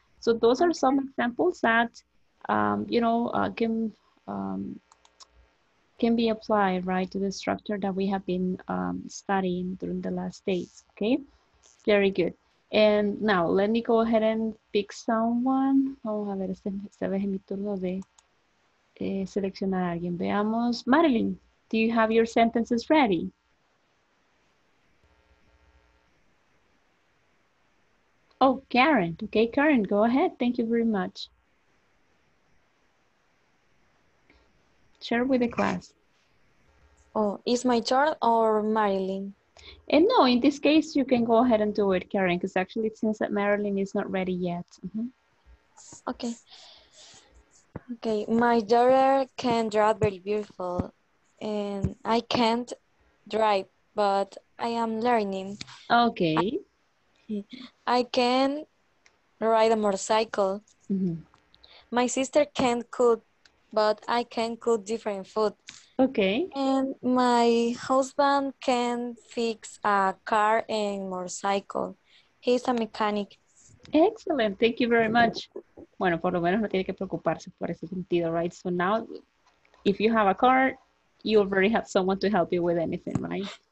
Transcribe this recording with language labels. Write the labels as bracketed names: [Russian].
[English] So those are some examples that, can be applied, right, to the structure that we have been studying during the last days, okay? Very good. And now, let me go ahead and pick someone. [Spanish] Vamos a ver, esta vez es mi turno de seleccionar a alguien. Veamos, [English] Marilyn, do you have your sentences ready? Oh, Karen, okay, Karen, go ahead. Thank you very much. Share with the class. Oh, is my turn or Marilyn? And no, in this case, you can go ahead and do it, Karen, because actually it seems that Marilyn is not ready yet. Mm-hmm. Okay. Okay, my daughter can draw very beautiful, and I can't drive, but I am learning. Okay. I can ride a motorcycle. Mm-hmm. My sister can't cook, but I can cook different food. Okay. And my husband can fix a car and motorcycle. He's a mechanic. Excellent. Thank you very much. [Spanish] Bueno, por lo menos no tiene que preocuparse por ese sentido, [English] right? So now, if you have a car, you already have someone to help you with anything, right?